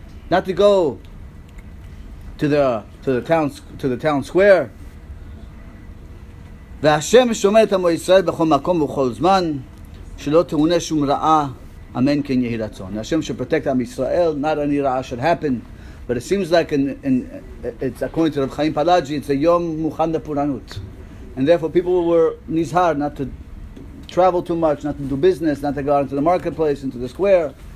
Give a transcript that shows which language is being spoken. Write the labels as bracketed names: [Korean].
[English] Not to go to the town square. [Hebrew] והשם שומר את עמו ישראל בכל מקום ובכל זמן שלא תמונה שום רעה אמן כן יהי רצון. השם שפרוטקט עם ישראל, [English] not any רעה should happen, but it seems like it's according to Rav Chaim Palaji, it's a [Hebrew] יום מוכן לפורענות. [English] And therefore people were nizhar not to travel too much, not to do business, not to go out into the marketplace, into the square.